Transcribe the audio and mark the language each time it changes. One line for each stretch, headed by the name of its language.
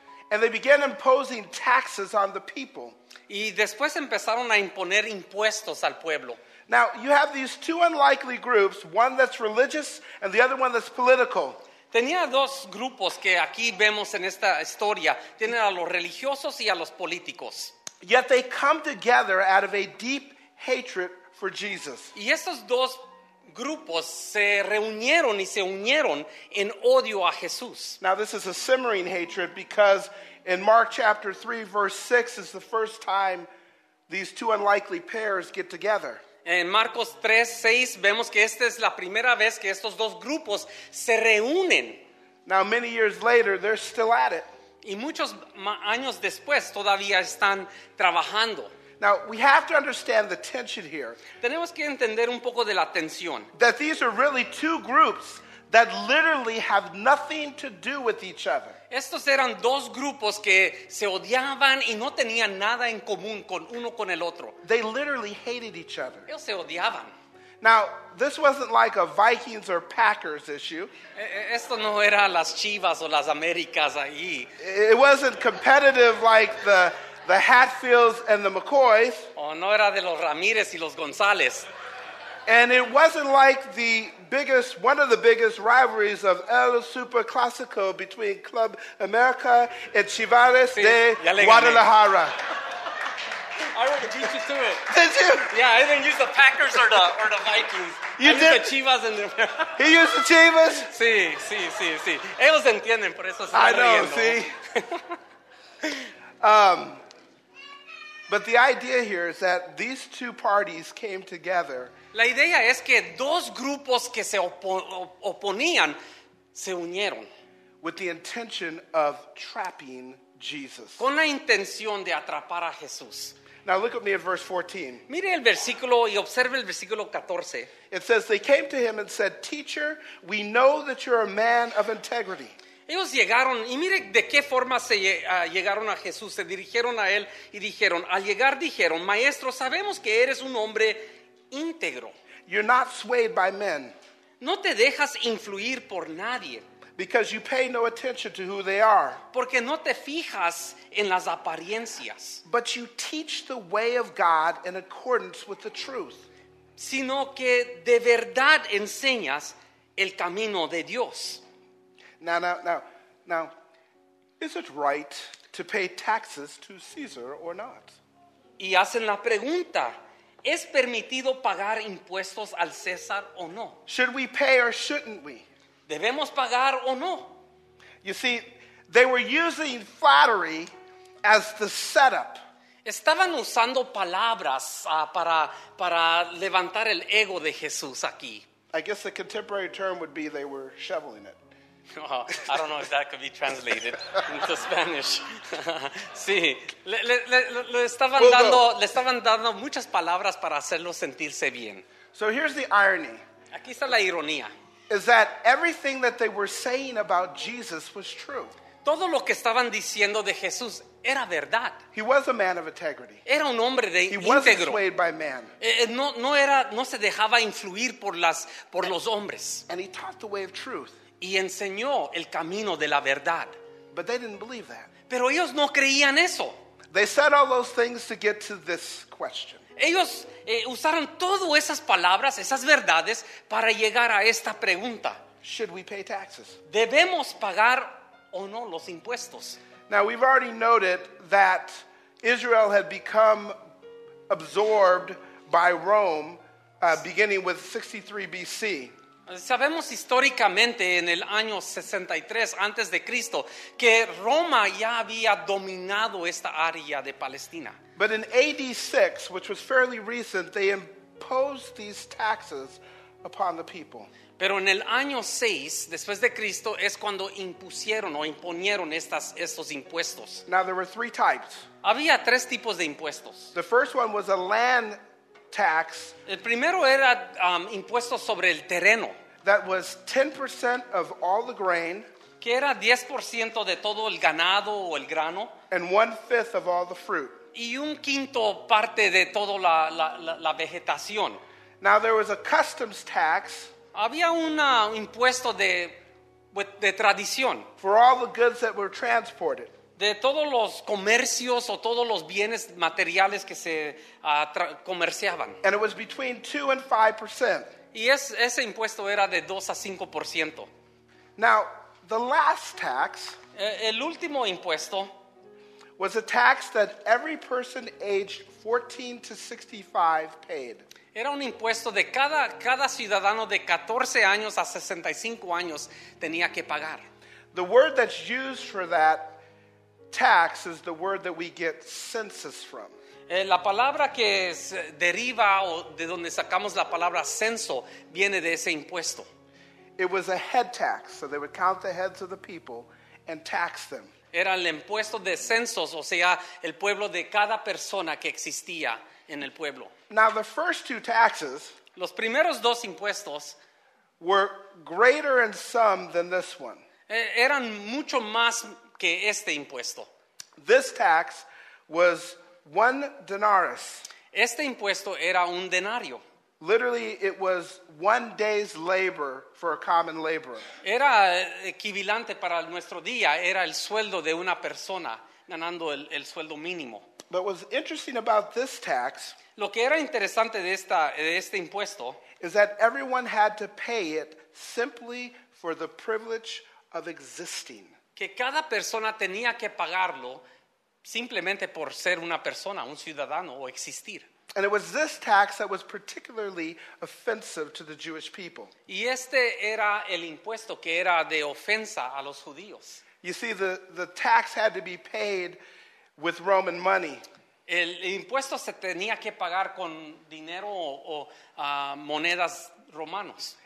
English: And they began imposing taxes on the people.
Spanish: Y después empezaron a imponer impuestos al pueblo.
English: Now, you have these two unlikely groups, one that's religious and the other one that's political.
Spanish: Tenía dos grupos que aquí vemos en esta historia. Tienen a los religiosos y a los políticos.
English: Yet they come together out of a deep hatred for Jesus.
Spanish: Y estos dos grupos se reunieron y se unieron en odio a Jesús.
English: Now this is a simmering hatred because In Mark chapter 3, verse 6 is the first time these two unlikely pairs get together.
Spanish: En Marcos 3, 6, vemos que esta es la primera vez que estos dos grupos se reúnen.
English: Now, many years later, they're still at it.
Spanish: Y muchos años después todavía están trabajando.
English: Now, we have to understand the tension here.
Spanish: Tenemos que entender un poco de la tensión.
English: That these are really two groups that literally have nothing to do with each other.
Spanish: Estos eran dos grupos que se odiaban y no tenían nada en común con uno con el otro.
English: They literally hated each other.
Spanish: Ellos se odiaban.
English: Now, this wasn't like a Vikings or Packers issue.
Spanish: Esto no era las Chivas o las Américas ahí.
English: It wasn't competitive like the Hatfields and the McCoys.
Spanish: Oh, no era de los Ramírez y los González.
English: And it wasn't like the biggest, one of the biggest rivalries of El Super Clásico between Club America and Chivas
Spanish: sí, de Guadalajara.
English: I already teach you to it. Did you? Yeah, I didn't use the Packers or the Vikings. You I did? Used the Chivas and the... He used the Chivas?
Spanish: Sí, sí, sí, sí. Ellos entienden, por eso se están riendo.
English: I know, see? But the idea here is that these two parties came together.
Spanish: La idea es que dos grupos que se oponían se unieron.
English: With the intention of trapping Jesus.
Spanish: Con la intención de atrapar a Jesús.
English: Now look at me at verse 14.
Spanish: Mire el versículo y observe el versículo 14.
English: It says they came to him and said, "Teacher, we know that you're a man of integrity."
Spanish: Ellos llegaron, y mire de qué forma se llegaron a Jesús, se dirigieron a él y dijeron, al llegar dijeron, maestro, sabemos que eres un hombre íntegro.
English: You're not swayed by men.
Spanish: No te dejas influir por nadie.
English: Because you pay no attention to who they are.
Spanish: Porque no te fijas en las apariencias.
English: But you teach the way of God in accordance with the truth.
Spanish: Sino que de verdad enseñas el camino de Dios.
English: Now, is it right to pay taxes to Caesar or not?
Spanish: Y hacen la pregunta, ¿es permitido pagar impuestos al César o no?
English: Should we pay or shouldn't we?
Spanish: ¿Debemos pagar o no?
English: You see, they were using flattery as the setup.
Spanish: Estaban usando palabras para levantar el ego de Jesús aquí.
English: I guess the contemporary term would be they were shoveling it. Oh, I don't know if that could be translated into Spanish.
Spanish: Sí, le estaban dando muchas palabras para hacerlo sentirse bien.
English: So here's the irony.
Spanish: Aquí está la ironía.
English: Is that everything that they were saying about Jesus was true.
Spanish: Todo lo que estaban diciendo de Jesús era verdad.
English: He was a man of integrity.
Spanish: Era un hombre de
English: He
Spanish: íntegro.
English: He wasn't swayed by man.
Spanish: No se dejaba influir por los hombres.
English: And he taught the way of truth.
Spanish: Y enseñó el camino de la verdad.
English: But they didn't believe that.
Spanish: Pero ellos no creían eso.
English: They said all those things to get to this question.
Spanish: Ellos usaron todas esas palabras, esas verdades, para llegar a esta pregunta.
English: Should we pay taxes?
Spanish: ¿Debemos pagar o no los impuestos?
English: Now we've already noted that Israel had become absorbed by Rome beginning with 63 BC.
Spanish: Sabemos históricamente en el año 63 antes de Cristo que Roma ya había dominado esta área de Palestina.
English: But in AD 6, which was fairly recent, they imposed these taxes upon the people.
Spanish: Pero en el año 6 después de Cristo es cuando impusieron o imponieron estos impuestos.
English: Now there were three types.
Spanish: Había tres tipos de impuestos.
English: The first one was a land tax.
Spanish: El primero era impuesto sobre el terreno.
English: That was 10% of all the grain.
Spanish: Que era 10% de todo el ganado o el grano.
English: And 1/5 of all the fruit.
Spanish: Y un quinto parte de toda la vegetación.
English: Now there was a customs tax.
Spanish: Había un impuesto de tradición.
English: For all the goods that were transported.
Spanish: De todos los comercios o todos los bienes materiales que se comerciaban.
English: And it was between 2 and 5%.
Spanish: Y ese impuesto era de 2 a 5%.
English: Now, the last tax.
Spanish: El último impuesto.
English: Was a tax that every person aged 14 to 65 paid.
Spanish: Era un impuesto de cada ciudadano de 14 años a 65 años tenía que pagar.
English: The word that's used for that tax is the word that we get census from.
Spanish: La palabra que es, deriva o de donde sacamos la palabra censo viene de ese impuesto.
English: It was a head tax, so they would count the heads of the people and tax them.
Spanish: Era el impuesto de censos, o sea, el pueblo de cada persona que existía en el pueblo.
English: Now the first two taxes,
Spanish: los primeros dos impuestos,
English: were greater in sum than this one.
Spanish: Eran mucho más que este impuesto.
English: This tax was one denarius.
Spanish: Este impuesto era un denario.
English: Literally, it was one day's labor for a common laborer.
Spanish: Era equivalente para nuestro día. Era el sueldo de una persona ganando el sueldo mínimo.
English: But what's interesting about this tax,
Spanish: lo que era interesante de esta, de este impuesto,
English: is that everyone had to pay it simply for the privilege of existing.
Spanish: Que cada persona tenía que pagarlo simplemente por ser una persona, un ciudadano, o existir.
English: And it was this tax that was particularly offensive to the Jewish people.
Spanish: Y este era el impuesto que era de ofensa a los judíos.
English: You see, the tax had to be paid with Roman money.
Spanish: El impuesto se tenía que pagar con dinero o monedas romanos.